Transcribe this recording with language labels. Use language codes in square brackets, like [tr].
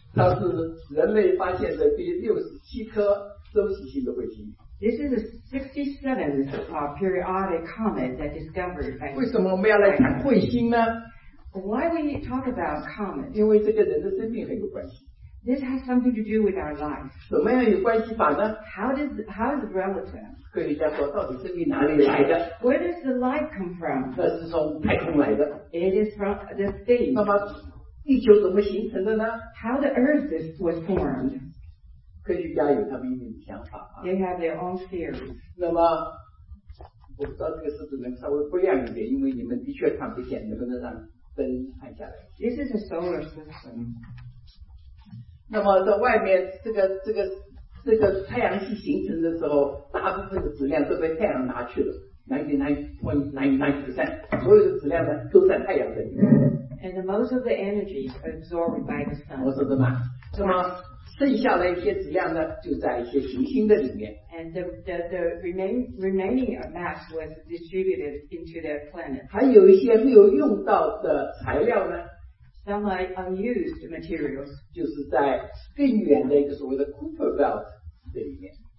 [zh] 它是人类发现的第67颗周期性的彗星。 [en] This is the 67th periodic comet that discovered. [zh] 为什么我们要来看彗星呢？ [en] Why we talk about comets? [zh] 因为这个人的生命很有关系。 [en] This has something to do with our life. [zh] 怎么样有关系法呢？ [en] How is it relative? [zh] 科学家说，到底生命哪里来的？ [en] Where does the life come from? [zh] 那是从太空来的。 [en] It is from the space. [zh] 那么地球怎么形成的呢？ [en] How the earth was formed? [zh] 科学家有他们一定的想法。 [en] They have their own theories. [zh] 那么我不知道这个是只能稍微不亮一点，因为你们的确看不见，能不能让灯按下来？ [en] This is a solar system. [zh] 那么在外面这个太阳系形成的时候，大部分的质量都被太阳拿去了 99.99%， 所有的质量呢都在太阳这里。 [en] And most of the energy is absorbed by the sun. [zh] 我说的嘛，那么剩下的一些质量呢就在一些行星的里面。 [en] And the remaining mass was distributed into their planet. [zh] 还有一些没有用到的材料呢。 [en] Some are unused materials. [zh] 就是在更远的一个所谓的 Kuiper Belt 这里面。